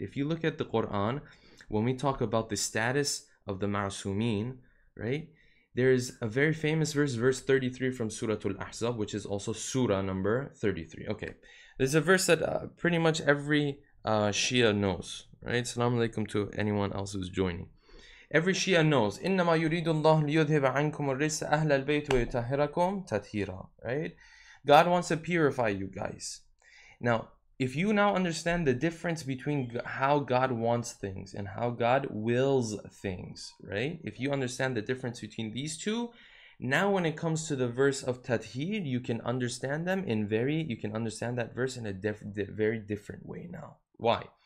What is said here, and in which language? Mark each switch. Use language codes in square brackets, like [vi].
[en] If you look at the Quran, when we talk about the status of the ma'sumin, right? There is a very famous verse, verse 33 from Surah Al-Ahzab, which is also Surah number 33. Okay, there's a verse that pretty much every Shia knows, right? Assalamu alaikum to anyone else who's joining. Every Shia knows, [ar] إِنَّمَا يُرِيدُ اللَّهُ لِيُذْهِبَ عَنْكُمُ الرِّجْسَ أَهْلَ الْبَيْتِ وَيُطَهِّرَكُمْ تَطْهِيرًا, [en] right? God wants to purify you guys. Now, if you now understand the difference between how God wants things and how God wills things, right? If you understand the difference between these two, now when it comes to the verse of Tathir, you can understand them in very, you can understand that verse in a very different way now. Why?